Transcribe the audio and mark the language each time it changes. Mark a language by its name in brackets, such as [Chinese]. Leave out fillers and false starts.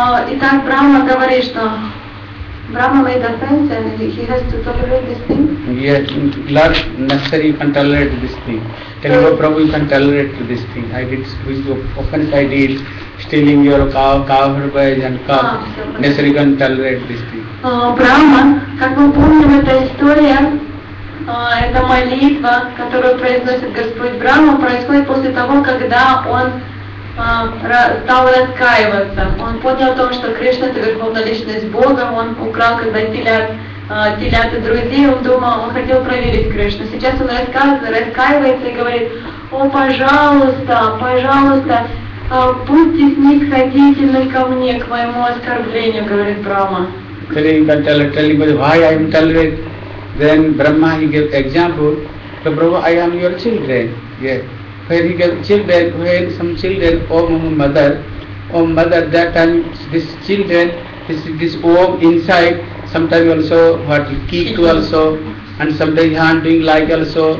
[Russian] Итак, Брахма говорит, что Брахма [English] made offense and he has to tolerate this thing. Yes, Lord, necessary you can tolerate this thing. Tell your Prabhu, you can tolerate this thing. I did which offense I did, stealing your cow herbage and cow. Necessary you can tolerate this thing. [Russian] Брахма, как мы помним, эта история, эта молитва, которую произносит Господь Брахма, происходит после того, когда он стал раскаиваться. Он понял о том, что Кришна — это верховная личность Бога, он украл когда телят и друзей, он думал, он хотел проверить Кришну. Сейчас он раскаивается и говорит: «О, пожалуйста, пожалуйста, будьте снисходительны ко мне, к моему оскорблению», — говорит Брахма. [English] Telling but telling but why I am tolerant? Then Brahma he gave example. So Brahma, I am your children. Yeah. Where he gave children, when some children, oh mother, that time this children, this womb inside, sometimes also what kick also, and sometimes hand doing like also.